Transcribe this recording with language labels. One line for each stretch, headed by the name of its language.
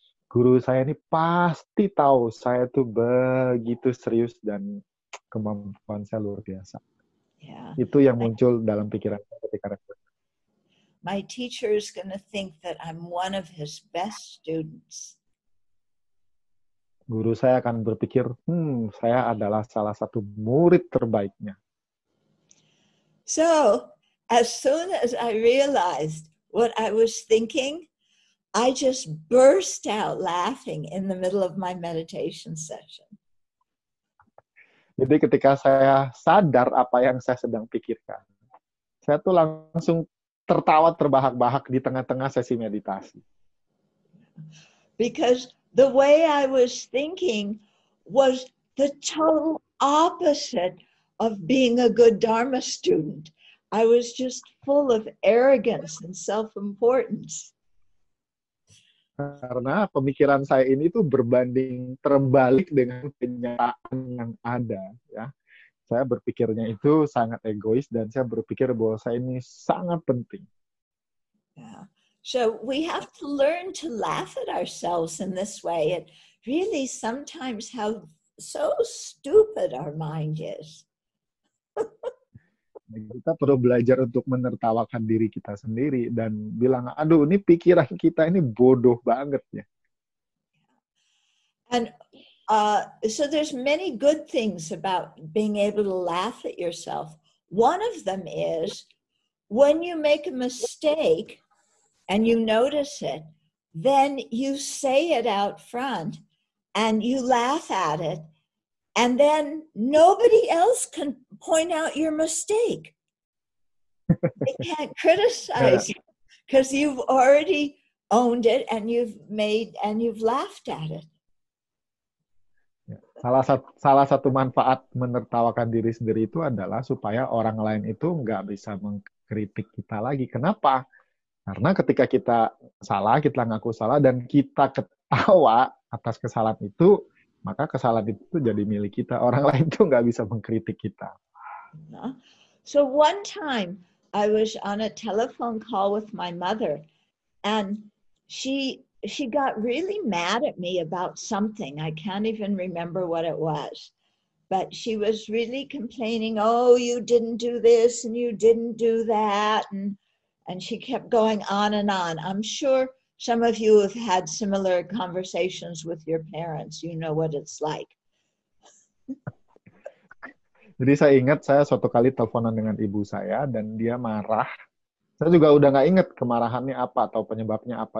Indonesian: Guru saya ini pasti tahu saya tuh begitu serius dan kemampuan saya luar biasa.
English: Yeah.
Indonesian: Itu yang muncul dalam pikiran saya ketika retreat.
English: My teacher is going to think that I'm one of his best students.
Indonesian: Guru saya akan berpikir, saya adalah salah satu murid terbaiknya.
English: So, as soon as I realized what I was thinking, I just burst out laughing in the middle of my meditation session.
Indonesian: Jadi ketika saya sadar apa yang saya sedang pikirkan, saya tuh langsung tertawa terbahak-bahak di tengah-tengah sesi meditasi.
English: Because the way I was thinking was the total opposite of being a good Dharma student. I was just full of arrogance and self-importance.
Indonesian: Karena pemikiran saya ini tuh berbanding terbalik dengan kenyataan yang ada, ya. Saya berpikirnya itu sangat egois dan saya berpikir bahwa saya ini sangat penting.
English: Yeah. So we have to learn to laugh at ourselves in this way. It really sometimes how so stupid our mind is.
Indonesian: Kita perlu belajar untuk menertawakan diri kita sendiri dan bilang, aduh, ini pikiran kita ini bodoh banget ya.
English: And so there's many good things about being able to laugh at yourself. One of them is when you make a mistake and you notice it, then you say it out front and you laugh at it. And then nobody else can point out your mistake. They can't criticize you because you've already owned it and you've laughed at it.
Indonesian: Salah satu manfaat menertawakan diri sendiri itu adalah supaya orang lain itu nggak bisa mengkritik kita lagi. Kenapa? Karena ketika kita salah, kita ngaku salah dan kita ketawa atas kesalahan itu, maka kesalahan itu jadi milik kita. Orang lain tuh nggak bisa mengkritik kita.
English: So one time I was on a telephone call with my mother, and she she got really mad at me about something. I can't even remember what it was. But she was really complaining, oh, you didn't do this and you didn't do that. And she kept going on and on. I'm sure some of you have had similar conversations with your parents. You know what it's like.
Indonesian: Jadi saya ingat saya suatu kali teleponan dengan ibu saya dan dia marah. Saya juga udah nggak ingat kemarahannya apa atau penyebabnya apa.